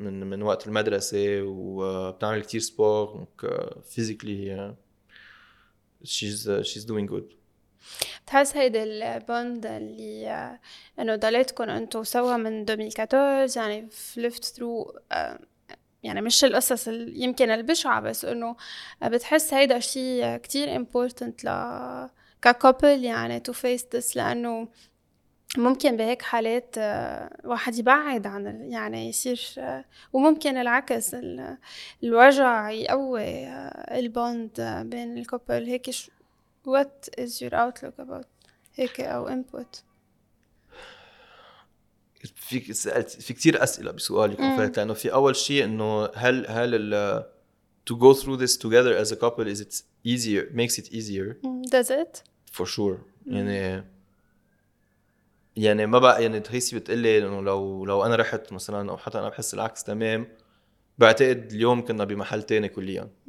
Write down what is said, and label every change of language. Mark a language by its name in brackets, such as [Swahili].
[Arabic] من وقت المدرسة وبتعمل كتير سبور. [English] Physically she's doing good. [Arabic] تحس هيدا البوند اللي انه ضليتكم انتم سوا من 2014، يعني [English] فلفت ثرو، [Arabic] يعني مش القصص يمكن البشعه، بس انه بتحس هيدا شيء كتير امبورتنت ككوبل، يعني [English] to face this, [Arabic] لانه ممكن بهيك حالات واحد يبعد عن يعني يصير، وممكن العكس الوجع يقوي البوند بين الكوبل. [English] هيك What is your outlook about [Arabic] هيك أو [English] input؟ [Arabic] في كتير أسئلة بسؤالك، لأنه في أول شيء إنه هل ال [English] to go through this together as a couple is it easier makes it easier does it for sure [Arabic] يعني ما بقى يعني تحسي بتقلي إنه لو أنا رحت مثلاً، أو حتى أنا بحس العكس تمام، بعتقد اليوم كنا بمحل تاني كلياً.